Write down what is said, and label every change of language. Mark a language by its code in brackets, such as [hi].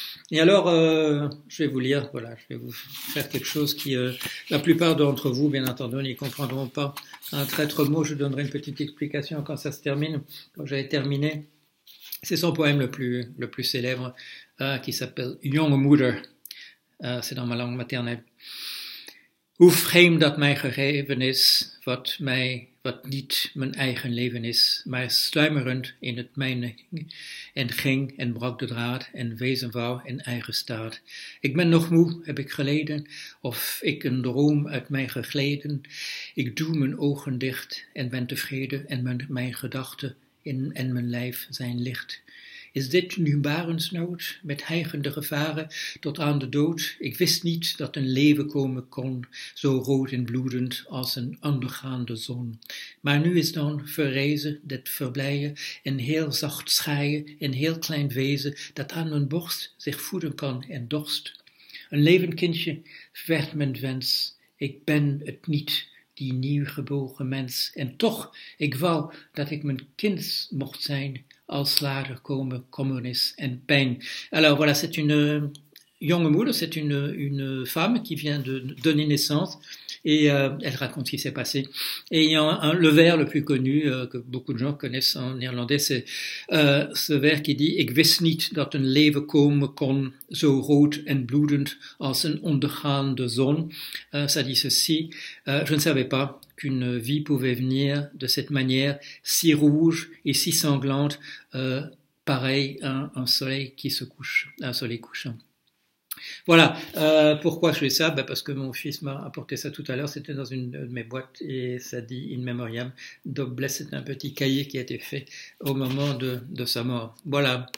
[fr] Et alors, je vais vous lire, voilà, je vais vous faire quelque chose qui, la plupart d'entre vous, bien entendu, n'y comprendront pas un traître mot. Je donnerai une petite explication quand ça se termine, quand j'avais terminé. C'est son poème le plus célèbre, qui s'appelle Young Mother. C'est dans ma langue maternelle. [nl] Hoe vreemd dat mijn gegeven is, wat niet mijn eigen leven is, maar sluimerend in het mijne en ging en brak de draad en wezen wou in eigen staat. Ik ben nog moe, heb ik geleden, of ik een droom uit mij gegleden. Ik doe mijn ogen dicht en ben tevreden en mijn gedachten. In en mijn lijf zijn licht. Is dit nu barensnood, met hijgende gevaren tot aan de dood? Ik wist niet dat een leven komen kon, zo rood en bloedend als een ondergaande zon. Maar nu is dan verrezen, dit verblijen, een heel zacht schreien, een heel klein wezen, dat aan mijn borst zich voeden kan en dorst. Een levend kindje werd mijn wens, ik ben het niet. Die nieuwgeboren mens. En toch, ik wou dat ik mijn kind mocht zijn, als later komen kommernis en pijn. [fr] Alors voilà, c'est une jonge moeder, c'est une femme qui vient de donner naissance et elle raconte ce qui s'est passé. Et il y a le vers le plus connu que beaucoup de gens connaissent en néerlandais, c'est ce vers qui dit: [nl] Ik wist niet dat een leven komen kon, zo rood en bloedend als een ondergaande zon. [fr] Ça dit ceci: je ne savais pas qu'une vie pouvait venir de cette manière, si rouge et si sanglante, pareil à un soleil qui se couche, un soleil couchant. Voilà, pourquoi je fais ça? Ben parce que mon fils m'a apporté ça tout à l'heure, c'était dans une de mes boîtes et ça dit In Memoriam. Dob Bless, c'est un petit cahier qui a été fait au moment de sa mort. Voilà.